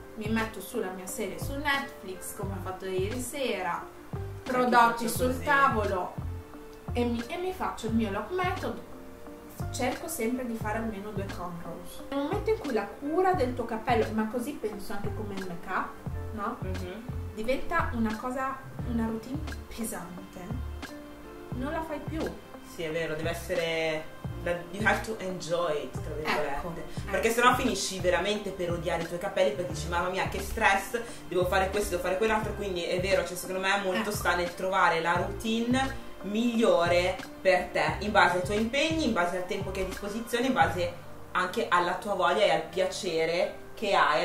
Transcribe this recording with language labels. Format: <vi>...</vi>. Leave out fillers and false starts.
<it>Mi metto sulla mia serie su Netflix, come ho fatto ieri sera, prodotti sul tavolo e mi faccio il mio lock method. Cerco sempre di fare almeno due controls. Nel momento in cui la cura del tuo capello, ma così penso anche come il make-up, no? Diventa una cosa, una routine pesante, non la fai più. Sì, è vero, deve essere...</it> <en>You have to enjoy it,</en> <it>tra virgolette. Ecco, perché sennò finisci veramente per odiare i tuoi capelli, perché dici, mamma mia, che stress, devo fare questo, devo fare quell'altro. Quindi è vero, cioè secondo me molto sta nel trovare la routine migliore per te, in base ai tuoi impegni, in base al tempo che hai a disposizione, in base anche alla tua voglia e al piacere che hai.</it>